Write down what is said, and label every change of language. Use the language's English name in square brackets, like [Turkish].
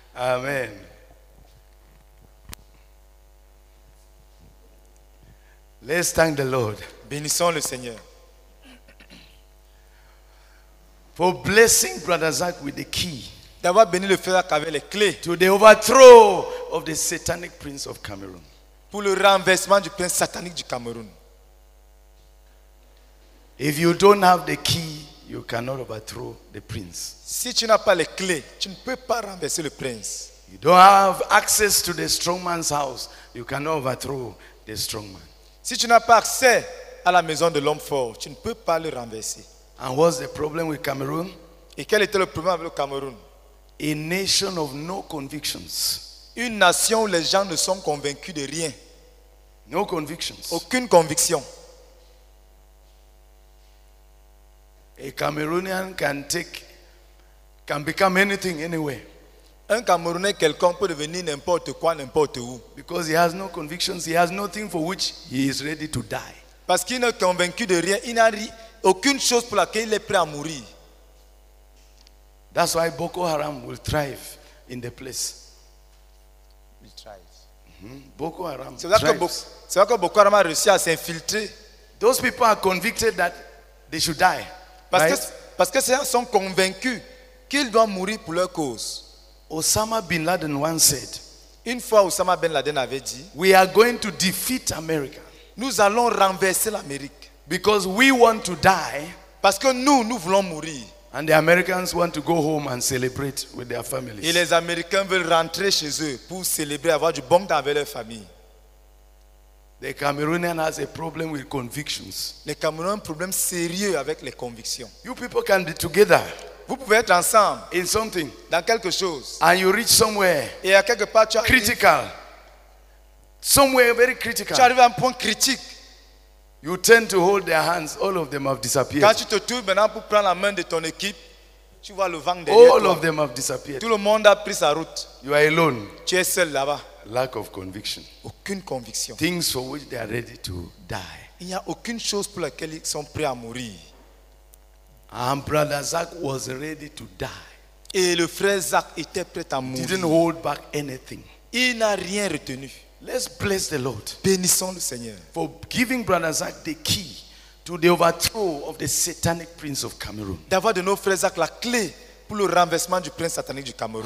[English] Amen. Let's thank the Lord. [French] Bénissons le Seigneur. [English] For blessing Brother Zach with the key. [French] D'avoir béni le frère Zach avec les clés. [English] To the overthrow of the satanic prince of Cameroon. [French] Pour le renversement du prince satanique du Cameroun. [English] If you don't have the key, you cannot overthrow the prince. [French] Si tu n'as pas les clés, tu ne peux pas renverser le prince. [English] You don't have access to the strong man's house, you cannot overthrow the strong man. [French] Si tu n'as pas accès à la maison de l'homme fort, tu ne peux pas le renverser. [English] And what's the problem with Cameroon? [French] Et quel était le problème avec le Cameroun? [English] A nation of no convictions. [French] Une nation où les gens ne sont convaincus de rien. [English] No convictions. [French] Aucune conviction. [English] A Cameroonian can become anything anywhere. [French] Un Camerounais quelconque peut devenir n'importe quoi, n'importe où. [English] Because he has no convictions, he has nothing for which he is ready to die. [French] Parce qu'il n'est convaincu de rien, il n'a aucune chose pour laquelle il est prêt à mourir. [English] That's why Boko Haram will thrive in the place. Will thrive. Mm-hmm. Boko Haram thrives. [French] C'est vrai que Boko Haram a réussi à s'infiltrer. [English] Those people are convicted that they should die. [French] Parce que ces gens sont convaincus qu'ils doivent mourir pour leur cause. [English] Osama bin Laden once said, [French] une fois Osama bin Laden avait dit, [English] we are going to defeat America. [French] Nous allons renverser l'Amérique. [English] Because we want to die. [French] Parce que nous voulons mourir. [English] And the Americans want to go home and celebrate with their families. [French] Et les Américains veulent rentrer chez eux pour célébrer, avoir du bon temps avec leur famille. [English] The Cameroonian has a problem with convictions. [French] Les Camerounais ont un problème sérieux avec les convictions. [English] You people can be together. [French] Vous pouvez être ensemble [English] in something, [French] dans quelque chose, [English] and you reach somewhere, [French] et à quelque part tu arrives [English] critical, somewhere very critical. [French] Tu arrives à un point critique. [English] You tend to hold their hands. All of them have disappeared. [French] Quand tu te tournes maintenant pour prendre la main de ton équipe, tu vois le vent derrière toi. [English] All of them have disappeared. [French] Tout le monde a pris sa route. [English] You are alone. [French] Tu es seul là-bas. [English] Lack of conviction. [French] Aucune conviction. [English] Things for which they are ready to die. [French] Il n'y a aucune chose pour laquelle ils sont prêts à mourir. [English] And Brother Zach was ready to die. [French] Et le frère Zach était prêt à mourir. [English] Didn't hold back anything. [French] Il n'a rien retenu. [English] Let's bless the Lord. [French] Bénissons le Seigneur. [English] For giving Brother Zach the key to the overthrow of the satanic prince of Cameroon. [French] D'avoir de nos frères Zach la clé pour le renversement du prince satanique du Cameroun.